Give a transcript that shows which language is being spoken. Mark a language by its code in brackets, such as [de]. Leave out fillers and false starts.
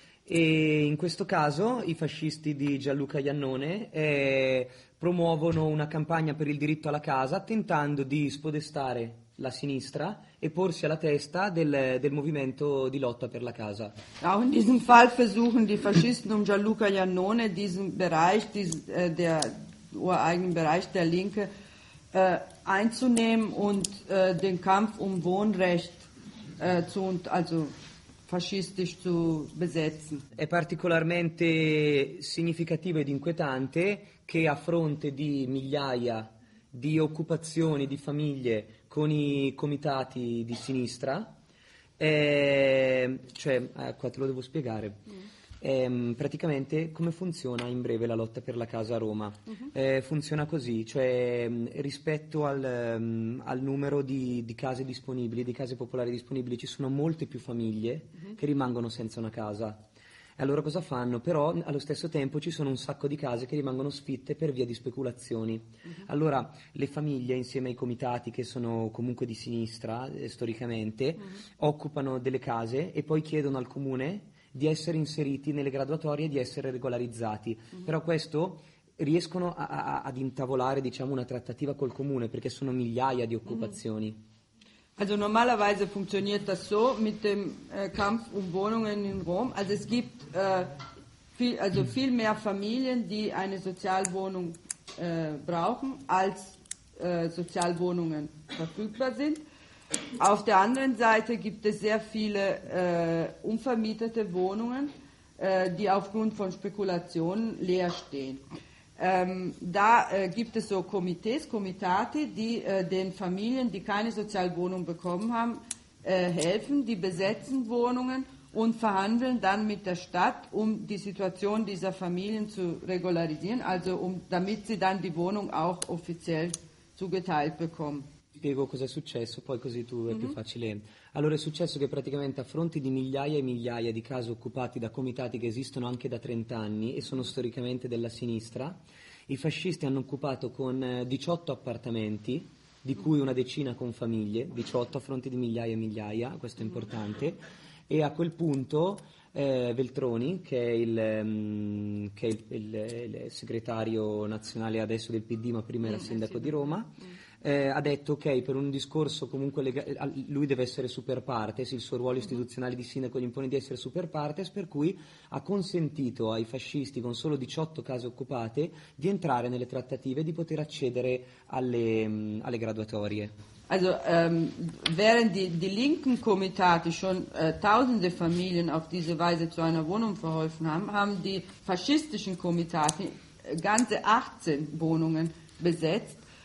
[it] E in questo caso i fascisti di Gianluca Iannone promuovono una campagna per il diritto alla casa, tentando di spodestare la sinistra e porsi alla testa del movimento di lotta per la casa. [de] Auch in diesem Fall versuchen die Faschisten um Gianluca Iannone diesen Bereich, der ureigenen Bereich der Linke einzunehmen und den Kampf um Wohnrecht also faschistisch zu besetzen. [it] È particolarmente significativo ed inquietante che a fronte di migliaia di occupazioni di famiglie con i comitati di sinistra, cioè qua te lo devo spiegare. Praticamente come funziona in breve la lotta per la casa a Roma? Uh-huh. Funziona così, cioè rispetto al numero di case disponibili, di case popolari disponibili, ci sono molte più famiglie che rimangono senza una casa. E allora cosa fanno? Però allo stesso tempo ci sono un sacco di case che rimangono sfitte per via di speculazioni. Uh-huh. Allora le famiglie insieme ai comitati, che sono comunque di sinistra storicamente, uh-huh, occupano delle case e poi chiedono al comune di essere inseriti nelle graduatorie e di essere regolarizzati. Mm-hmm. Però questo riescono ad intavolare, diciamo, una trattativa col comune, perché sono migliaia di occupazioni. Mm-hmm. [de] Also normalerweise funktioniert das so mit dem Kampf um Wohnungen in Rom. Also es gibt viel mehr Familien, die eine Sozialwohnung brauchen, als Sozialwohnungen verfügbar sind. Auf der anderen Seite gibt es sehr viele unvermietete Wohnungen, die aufgrund von Spekulationen leer stehen. Da gibt es so Komitate, die den Familien, die keine Sozialwohnung bekommen haben, helfen. Die besetzen Wohnungen und verhandeln dann mit der Stadt, um die Situation dieser Familien zu regularisieren, also damit sie dann die Wohnung auch offiziell zugeteilt bekommen. [it] spiego cosa è successo, poi così tu è più facile. Allora è successo che praticamente a fronte di migliaia e migliaia di case occupati da comitati che esistono anche da 30 anni e sono storicamente della sinistra, i fascisti hanno occupato con 18 appartamenti, di cui una decina con famiglie, 18 a fronte di migliaia e migliaia, questo è importante, e a quel punto Veltroni, che è il segretario nazionale adesso del PD, ma prima era sindaco di Roma, ha detto ok, per un discorso comunque lui deve essere super partes, il suo ruolo istituzionale di sindaco gli impone di essere super partes, per cui ha consentito ai fascisti con solo 18 case occupate di entrare nelle trattative e di poter accedere alle graduatorie. [de] Also während die linken Komitate schon tausende Familien auf diese Weise zu einer Wohnung verholfen haben, haben die faschistischen Komitate ganze 18 Wohnungen besetzt.